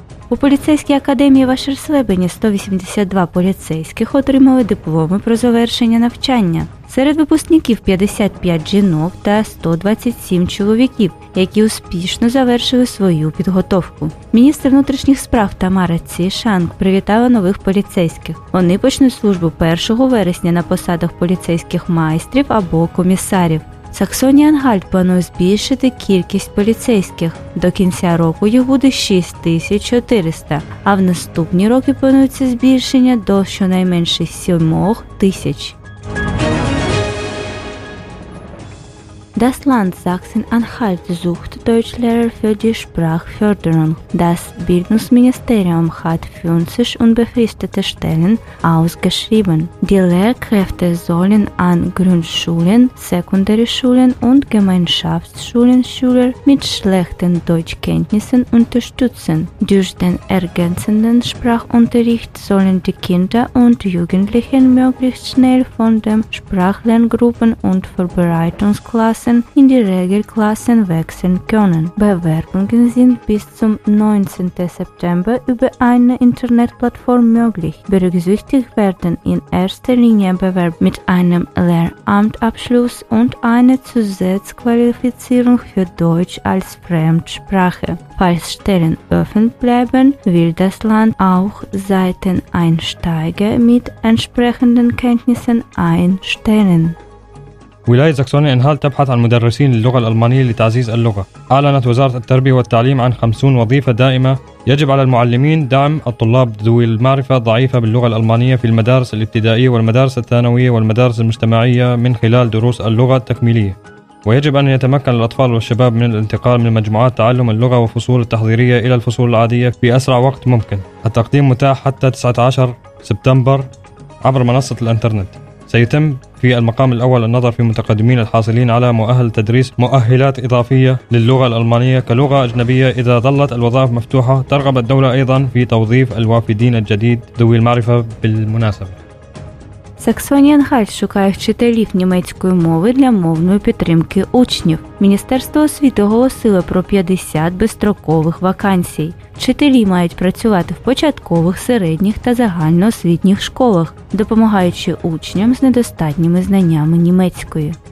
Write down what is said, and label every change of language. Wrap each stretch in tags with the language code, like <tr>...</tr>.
<uk>У поліцейській академії в Ашерслебені 182 поліцейських отримали дипломи про завершення навчання. Серед випускників 55 жінок та 127 чоловіків, які успішно завершили свою підготовку. Міністр внутрішніх справ Тамара Цішанк привітала нових поліцейських. Вони почнуть службу 1 вересня на посадах поліцейських майстрів або комісарів. Саксонія-Анхальт планує збільшити кількість поліцейських. До кінця року їх буде 6400, а в наступні роки планується збільшення до щонайменше 7000.</uk> <de>Das Land Sachsen-Anhalt sucht Deutschlehrer für die Sprachförderung. Das Bildungsministerium hat 50 unbefristete Stellen ausgeschrieben. Die Lehrkräfte sollen an Grundschulen, Sekundarschulen und Gemeinschaftsschulen Schüler mit schlechten Deutschkenntnissen unterstützen. Durch den ergänzenden Sprachunterricht sollen die Kinder und Jugendlichen möglichst schnell von den Sprachlerngruppen und Vorbereitungsklassen in die Regelklassen wechseln können. Bewerbungen sind bis zum 19. September über eine Internetplattform möglich. Berücksichtigt werden in erster Linie Bewerber mit einem Lehramtabschluss und einer Zusatzqualifizierung für Deutsch als Fremdsprache. Falls Stellen offen bleiben, will das Land auch Seiteneinsteiger mit entsprechenden Kenntnissen einstellen.</de> <ar>ولاية ساكسونية-أنهالت تبحث عن مدرسين للغة الألمانية لتعزيز اللغة. أعلنت وزارة التربية والتعليم عن 50 وظيفة دائمة. يجب على المعلمين دعم الطلاب ذوي المعرفة الضعيفة باللغة الألمانية في المدارس الابتدائية والمدارس الثانوية والمدارس المجتمعية من خلال دروس اللغة التكميلية. ويجب أن يتمكن الأطفال والشباب من الانتقال من مجموعات تعلم اللغة وفصول التحضيرية إلى الفصول العادية في أسرع وقت ممكن. التقديم متاح حتى 19 سبتمبر عبر منصة الإنترنت. سيتم في المقام الأول النظر في متقدمين الحاصلين على مؤهل تدريس مؤهلات إضافية للغة الألمانية كلغة أجنبية إذا ظلت الوظائف مفتوحة ترغب الدولة أيضا في توظيف الوافدين الجديد ذوي المعرفة بالمناسبة.</ar> <uk>Саксонія-Анхальт шукає вчителів німецької мови для мовної підтримки учнів. Міністерство освіти оголосило про 50 безстрокових вакансій. Вчителі мають працювати в початкових, середніх та загальноосвітніх школах, допомагаючи учням з недостатніми знаннями німецької.</uk>